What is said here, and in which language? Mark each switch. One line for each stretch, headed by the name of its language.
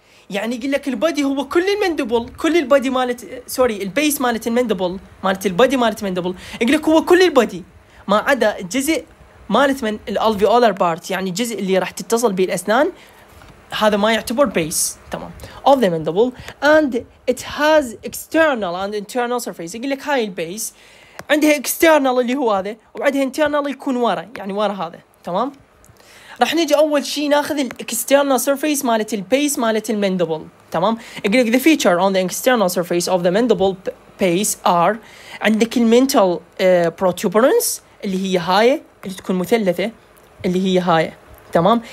Arabic: يعني يقول لك البادي هو كل المندبل، كل البادي مالت البيس مالت المندبل، مالت البادي مالت المندبل. يقول لك هو كل البادي ما عدا الجزء مالت من الالفيولار بارت، يعني الجزء اللي راح تتصل به الاسنان، هذا ما يعتبر بيس. تمام.
English: of the mandible and it has external and internal surface.
Arabic: يقول لك هاي البيس عندها external اللي هو هذا وعندها internal يكون ورا، يعني ورا هذا. تمام. راح نجي اول شيء ناخذ الاكسترنال سيرفيس مالت البيس مالت المندبل. تمام. يقول لك the feature on the external surface of the mandible base are عندك المنتال protuberance اللي هي هاي اللي تكون مثلثه اللي هي هاي. تمام.